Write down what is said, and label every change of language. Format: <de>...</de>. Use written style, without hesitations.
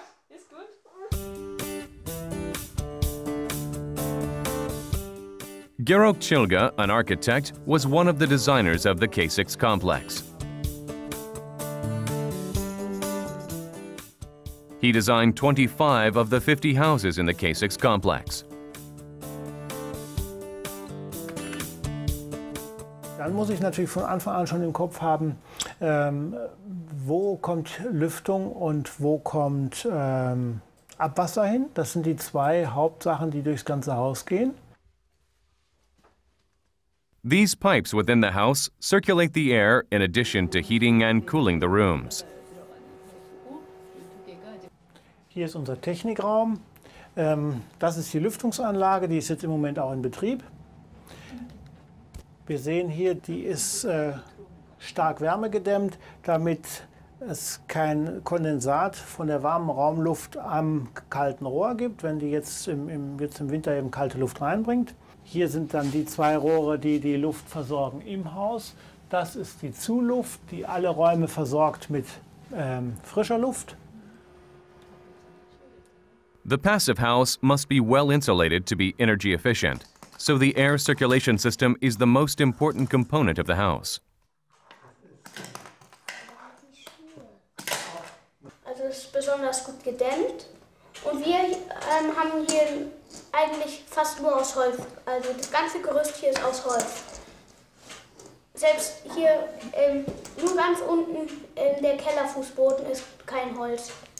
<de>Ist gut.</de> <en>Gyorok Chilga, an architect, was one of the designers of the K6 complex. He designed 25 of the 50 houses in the K6 complex.</en> <ko>난</ko> <de>muss ich natürlich von Anfang an schon im Kopf haben, wo kommt Lüftung und wo kommt Abwasser hin? Das sind die zwei Hauptsachen, die durchs ganze Haus gehen.</de> <en>These pipes within the house circulate the air in addition to heating and cooling the rooms.</en> <de>Hier ist unser Technikraum. Das ist die Lüftungsanlage, die ist jetzt im Moment auch in Betrieb. Wir sehen hier, die ist stark wärmegedämmt, damit es kein Kondensat von der warmen Raumluft am kalten Rohr gibt, wenn die jetzt im Winter eben kalte Luft reinbringt. Hier sind dann die zwei Rohre, die die Luft versorgen im Haus. Das ist die Zuluft, die alle Räume versorgt mit frischer Luft.</de> <en>The passive house must be well insulated to be energy efficient. So the air circulation system is the most important component of the house.</en> <de>Also es ist besonders gut gedämmt und wir haben hier eigentlich fast nur aus Holz. Also das ganze Gerüst hier ist aus Holz. Selbst hier nur ganz unten in der Kellerfußboden ist kein Holz.</de>